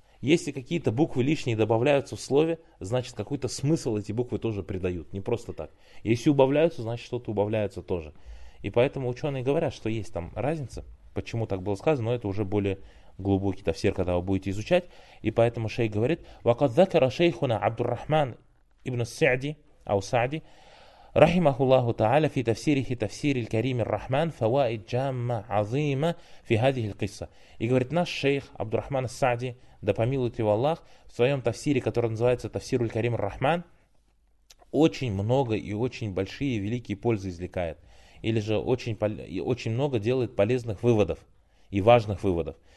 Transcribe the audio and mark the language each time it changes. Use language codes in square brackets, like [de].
[ru] Если какие-то буквы лишние добавляются в слове, значит какой-то смысл эти буквы тоже придают. Не просто так. Если убавляются, значит что-то убавляется тоже. И поэтому ученые говорят, что есть там разница. Почему так было сказано, но это уже более глубокий тафсир, когда вы будете изучать. И поэтому шейх говорит, [ar] وَقَدْ ذَكَرَ شَيْخُنَا عَبْدُ الرَّحْمَنِ إِبْنُ السَّعْدِ أَوْ سَعْدِ رَحِمَهُ اللَّهُ تَعَالَى فِي تَفْسِيرِهِ تَفْسِيرِ الْكَرِيمِ الرَّحْمَنِ فَوَائِدْ جَامَّ عَظِيمَ فِي هَذِهِ الْقِصَّةِ. [ru] И говорит, наш шейх Абдур-Рахман Ас-Саади, да помилует его Аллах, в своем тафсире, который называется «Тафсир Аль-Карим Ар-Рахман», очень много и очень большие и великие пользы извлекает. Или же очень много делает полезных выводов и важных выводов.